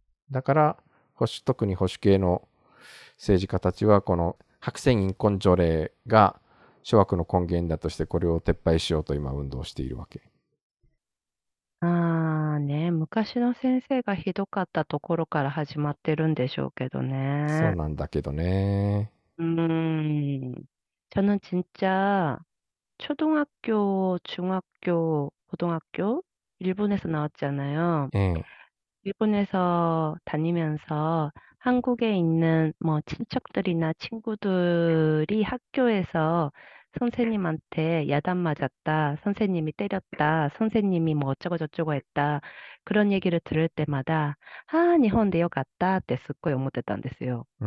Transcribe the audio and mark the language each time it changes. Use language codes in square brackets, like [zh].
[ja] だから特に保守系の政治家たちはこの白線隠婚条例が諸悪の根源だとしてこれを撤廃しようと今運動しているわけ。ね、昔の先生がひどかったところから始まってるんでしょうけどね。そうなんだけどね。 [ko] 저는진짜초등학교중학교고등학교일본에서나왔잖아요、 응、 일본에서다니면서한국에있는뭐친척들이나친구들이학교에서선생님한테야단맞았다선생님이때렸다선생님이뭐어쩌고저쩌고했다그런얘기를들을때마다아 [ja] 日本でよかったってすっごい思ってたんですよ。